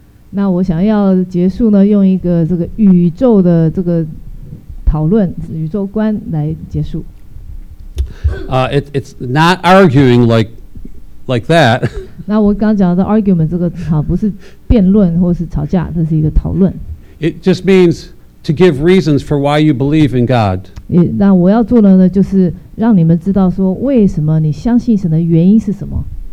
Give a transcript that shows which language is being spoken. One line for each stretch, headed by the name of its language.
Chinese: 那我想要结束呢，用一个这个宇宙的这个讨论，宇宙观来结束。
English: It's not arguing like that.
Chinese: 那我刚讲的 argument 这个不是辩论或是吵架，这是一个讨论。
English: It just means to give reasons for why you believe in God.
Chinese: 那我要做的呢就是让你们知道说为什么你相信神的原因是什么。